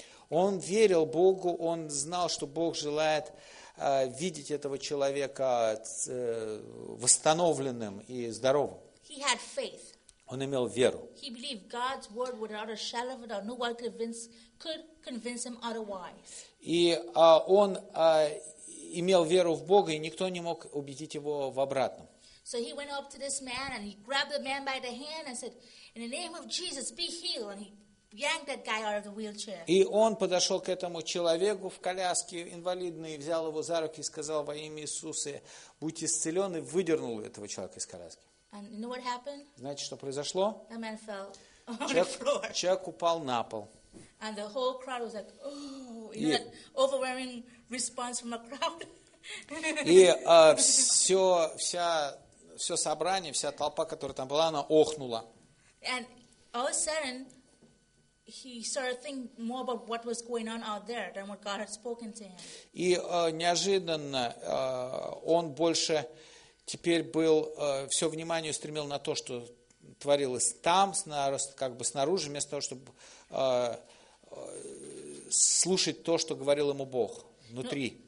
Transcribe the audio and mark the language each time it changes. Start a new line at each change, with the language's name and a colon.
Russian: Он верил Богу, он знал, что Бог желает видеть этого человека восстановленным и здоровым.
English: He had faith.
Russian: Он имел веру.
English: He believed God's word without a shadow of a doubt. No one could convince him otherwise.
Russian: И он имел веру в Бога, и никто не мог убедить его в обратном.
English: So he went up to this man and he grabbed the man by the hand and said, "In the name of Jesus, be healed." And he yanked that guy out of the wheelchair.
Russian: И он подошел к этому человеку в коляске инвалидной, взял его за руки и сказал во имя Иисуса, будь исцелен, и выдернул этого человека из коляски.
English: And you know what happened?
Russian: Знаете, что произошло?
English: The man fell on the floor.
Russian: Человек упал на пол.
English: And the whole crowd was like, "Oh!" You know, that overwhelming response from a crowd.
Russian: И все собрание, вся толпа, которая там была, она охнула.
English: And all of a sudden, he started thinking more about what was going on out there than what God had spoken to him.
Russian: И неожиданно он больше теперь был, все внимание устремил на то, что творилось там, как бы снаружи, вместо того, чтобы слушать то, что говорил ему Бог внутри.